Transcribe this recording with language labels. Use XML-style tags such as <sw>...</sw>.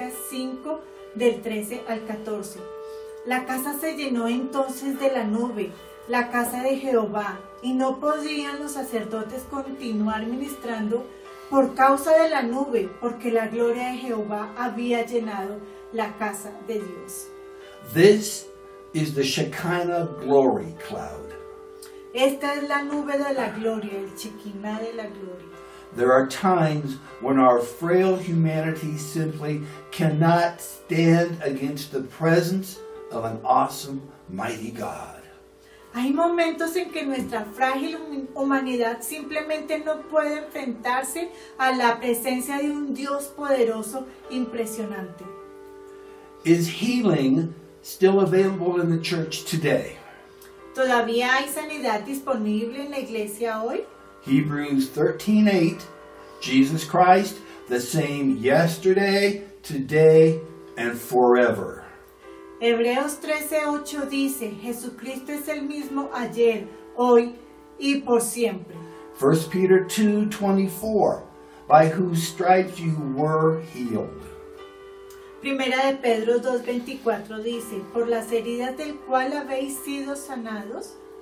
<es>2 Crónicas 5:13-14. La casa se llenó entonces de la nube, la casa de Jehová, y no podían los sacerdotes continuar ministrando por causa de la nube, porque la gloria de Jehová había llenado la casa de Dios.</es> <en>This is the Shekinah glory cloud.</en> <es>Esta es la nube de la gloria, el Shekinah de la gloria.</es> <en>There are times when our frail humanity simply cannot stand against the presence of an awesome, mighty God.</en> <es>Hay momentos en que nuestra frágil humanidad simplemente no puede enfrentarse a la presencia de un Dios poderoso impresionante.</es> <en>Is healing still available in the church today?</en> <es>¿Todavía hay sanidad disponible en la iglesia hoy?</es> <en>Hebrews 13:8, Jesus Christ, the same yesterday, today, and forever.</en> <es>Hebreos 13:8 dice, Jesucristo es el mismo ayer, hoy y por siempre.</es> <en>1 Peter 2:24, by whose stripes you were healed.</en> <es>1 Pedro 2:24 dice, por las heridas del cual habéis sido sanados.</es>